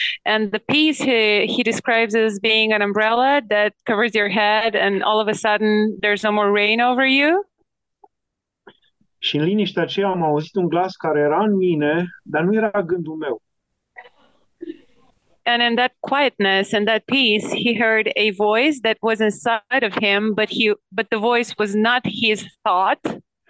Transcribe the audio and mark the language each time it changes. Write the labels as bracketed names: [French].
[English] And the piece he describes as being an umbrella that covers your head, and all of a sudden there's no more rain over you. [Romanian] Și în liniștea aceea am auzit un glas care era în mine, dar nu era gândul meu. [English] And in that quietness and that peace, he heard a voice that was inside of him, but the voice was not his thought.